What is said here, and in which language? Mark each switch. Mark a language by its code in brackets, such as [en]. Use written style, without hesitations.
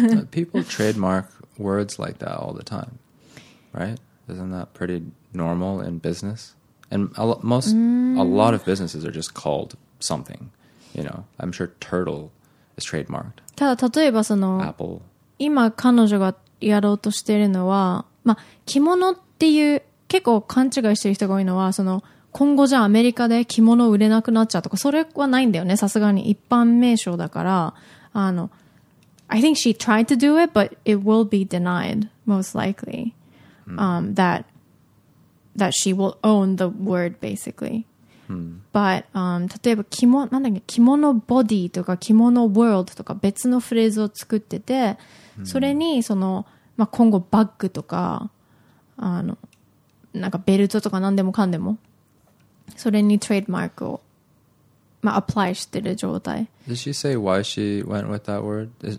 [en] People trademark words like that all the time, right? Isn't that pretty normal in business? And a lot of businesses are just called something, you know. I'm sure turtle is trademarked. [ja] ただ例えばその、 [en] Apple. [ja] 今彼女がやろうとしてるのは、まあ着物っていう結構勘違いしてる人が多いのはその今後じゃあアメリカで着物売れなくなっちゃうとかそれはないんだよね。さすがに一般名称だから。 [en] I think she tried to do it, but it will be denied, most likely, that she will own the word, basically. [ja] But, 例えば着物ボディとか着物ワールドとか別のフレーズを作ってて、それにその、まあ、今後バッグとか、なんかベルトとか何でもかんでも、それにトレードマークを。まあ、apply してる状態。 [en] Did she say why she went with that word?